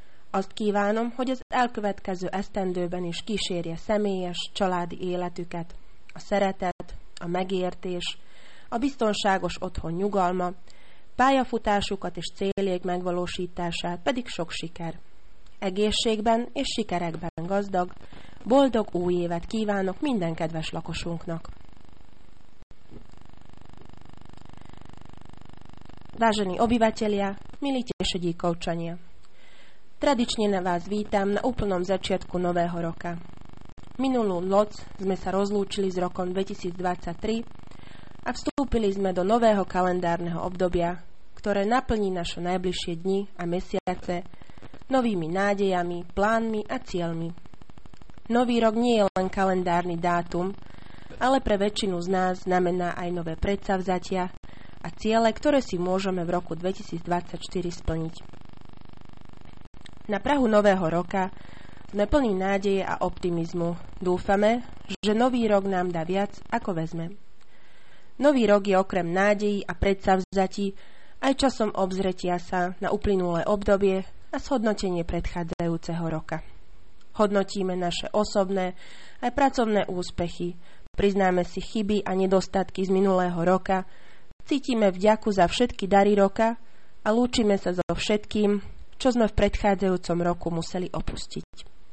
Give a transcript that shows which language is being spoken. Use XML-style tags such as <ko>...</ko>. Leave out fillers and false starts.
<hu>Azt kívánom, hogy az elkövetkező esztendőben is kísérje személyes, családi életüket, a szeretet, a megértés, a biztonságos otthon nyugalma, pályafutásukat és céljaik megvalósítását pedig sok siker. Egészségben és sikerekben gazdag, boldog új évet kívánok minden kedves lakosunknak!</hu> <sk>Vážení obyvatelia, milí tešedíkovčania. Tradične na vás vítam na úplnom začiatku nového roka. Minulú noc sme sa rozlúčili s rokom 2023 a vstúpili sme do nového kalendárneho obdobia, ktoré naplní naše najbližšie dni a mesiace novými nádejami, plánmi a cieľmi. Nový rok nie je len kalendárny dátum, ale pre väčšinu z nás znamená aj nové predsavzatia a ciele, ktoré si môžeme v roku 2024 splniť. Na prahu nového roka sme plní nádeje a optimizmu. Dúfame, že nový rok nám dá viac, ako vezme. Nový rok je okrem nádejí a predsavzatí aj časom obzretia sa na uplynulé obdobie a zhodnotenie predchádzajúceho roka. Hodnotíme naše osobné aj pracovné úspechy, priznáme si chyby a nedostatky z minulého roka, cítime vďaku za všetky dary roka a lúčime sa so všetkým, čo sme v predchádzajúcom roku museli opustiť.</sk>